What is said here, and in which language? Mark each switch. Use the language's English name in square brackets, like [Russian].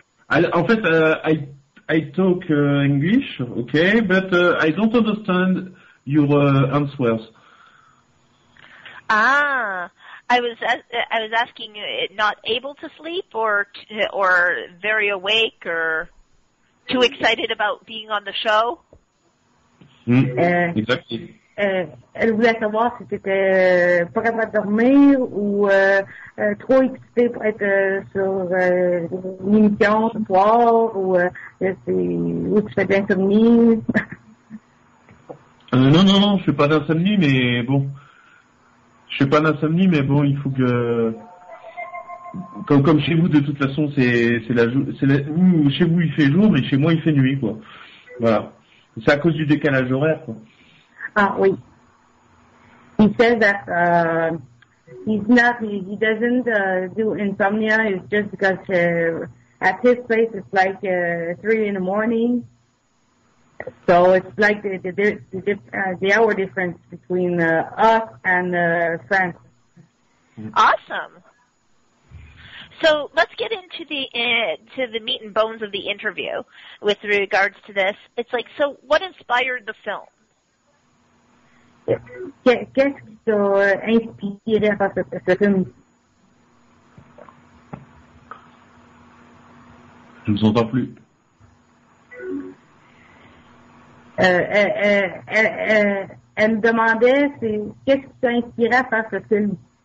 [English] I talk English, okay, but I don't understand your answers. Ah, I was asking, not able to sleep or very awake or too excited about being on the show? Exactly. [French] Elle voulait savoir si t'étais pas capable de dormir ou trop excité pour être sur une émission ce soir ou tu fais de l'insomnie. Non, je fais pas d'insomnie, mais bon. Je fais pas d'insomnie, mais bon, il faut que... Comme chez vous, de toute façon, chez vous, il fait jour, mais chez moi, il fait nuit, quoi. Voilà. C'est à cause du décalage horaire, quoi. Ah, oui. [English] He says that he doesn't do insomnia. It's just because at his place, it's like 3 in the morning. So it's like the hour difference between us and France. Awesome. So let's get into the meat and bones of the interview with regards to this. It's like, so what inspired the film? [French] Qu'est-ce qui t'a inspiré à faire ce film? Je ne vous entends plus. Elle me demandait qu'est-ce qui t'a inspiré à faire ce film?